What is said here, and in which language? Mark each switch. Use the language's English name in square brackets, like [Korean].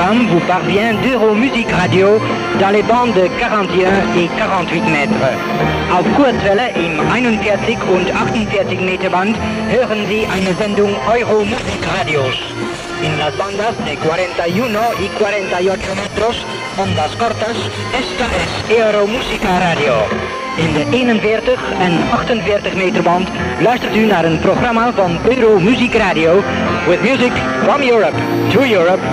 [French] Vous parvient d'Euromusic Radio dans les bandes de 41 et 48 mètres. [German] Auf Kurzwelle im 41 und 48 Meter Band hören Sie eine Sendung Euromusic Radios. [Spanish] In las bandas de 41 y 48 metros, ondas cortas, esta es Euromusic Radio. [Dutch] In de 41 en 48 meter band luistert u naar een programma van Euromusic Radio [English] with music from Europe to Europe.